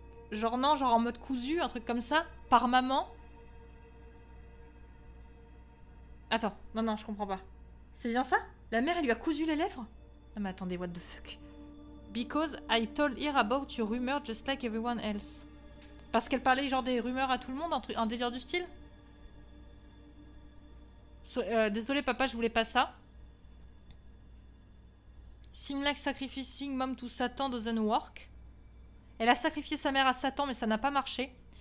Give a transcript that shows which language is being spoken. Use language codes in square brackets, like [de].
[fr] Genre non, genre en mode cousu, un truc comme ça, par maman. Attends, non, je comprends pas. C'est bien ça? La mère, elle lui a cousu les lèvres? Non mais attendez, [en] what the fuck? Because I told her about your rumor just like everyone else. [fr] Parce qu'elle parlait genre des rumeurs à tout le monde, un délire du style? Désolé papa, je voulais pas ça. [en] Seem like sacrificing mom to Satan doesn't work. [fr] Elle a sacrifié sa mère à Satan, mais ça n'a pas marché.